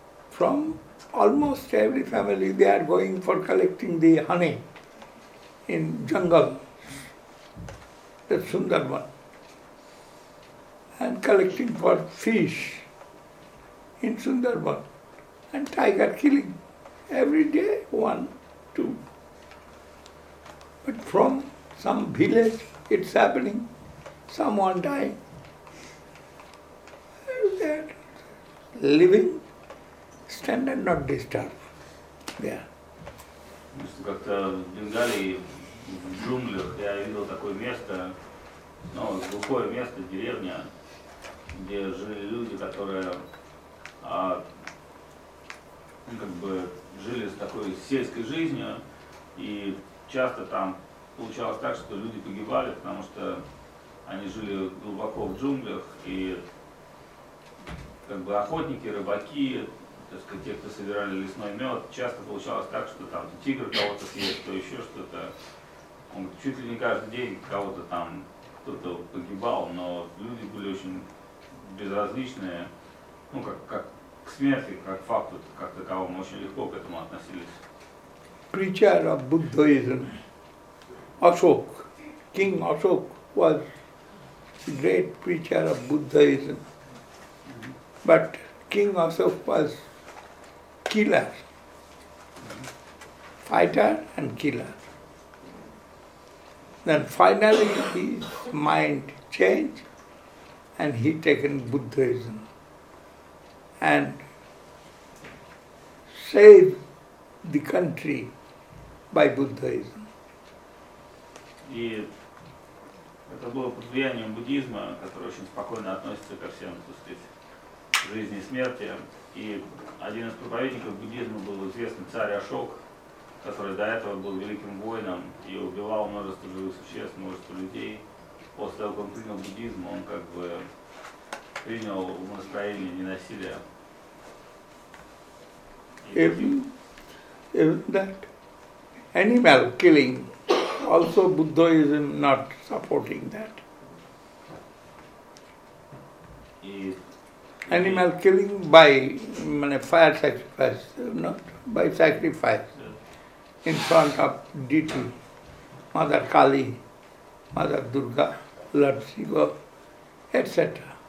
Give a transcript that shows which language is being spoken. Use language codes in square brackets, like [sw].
[en] From almost every family, they are going for collecting the honey in jungle, the Sundarban, and collecting for fish in Sundarban, and tiger killing every day, one, two. But from some village, it's happening. Someone dying. They're living, stand and not disturb. Yeah. [ru] Как-то в Бенгалии, в джунглях, я видел такое место, ну, глухое место, деревня, где жили люди, которые как бы жили с такой сельской жизнью, и часто там получалось так, что люди погибали, потому что они жили глубоко в джунглях, и как бы охотники, рыбаки, так сказать, те, кто собирали лесной мед, часто получалось так, что там тигр кого-то съест, то еще что-то. Он чуть ли не каждый день кого-то там кто-то погибал, но люди были очень безразличные, ну, как к смерти, как к факту, как таковому, очень легко к этому относились. [en] Preacher of Buddhism, Ashok, King Ashok was great preacher of Buddhism, but King Ashok was killer, fighter and killer. Then finally his mind changed and he taken Buddhism and saved the country by Buddhism. [ru] Это было под влиянием буддизма, который очень спокойно относится ко всем, так сказать, жизни и смерти. И один из проповедников буддизма был известный царь Ашок, который до этого был великим воином и убивал множество живых существ, множество людей. После того, как он принял буддизм, он как бы принял умонастроение ненасилия. [en] Even that animal killing. Also, Buddhism not supporting that. Animal killing by fire sacrifice, not by sacrifice, in front of deity, Mother Kali, Mother Durga, Lord Shiva, etc.